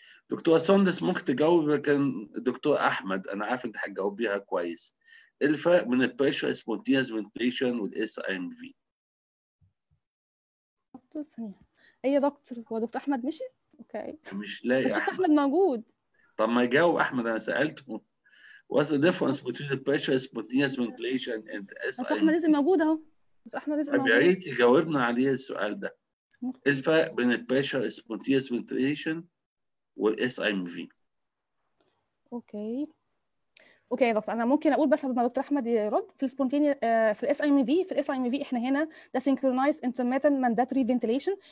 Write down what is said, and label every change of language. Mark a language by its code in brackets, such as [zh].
[ar] دكتور ساندس ممكن تجاوب، لكن دكتور احمد انا عارف انت هتجاوب بيها كويس. الفرق من البريشر سبونتينيوس فنتيليشن والاس ام في. دكتور ثانية. اي دكتور؟ هو دكتور احمد مشي؟ اوكي. مش لاقي احمد. دكتور احمد موجود. طب ما يجاوب احمد، انا سالته. [en] What's the difference between the pressure spontaneous ventilation and [ar] SIMV؟ دكتور احمد لازم موجود اهو. دكتور احمد لازم موجود. يا ريت يجاوبنا عليه السؤال ده. الفرق بين البريشر سبونتينيوس فنتيليشن والاس ام في. اوكي. اوكي يا دكتور، انا ممكن اقول بس قبل ما دكتور احمد يرد. في السبونتيني في الاس ام في، في الاس ام في احنا هنا ده سينكرونايز انترميتنت مانداتوري فنتيليشن.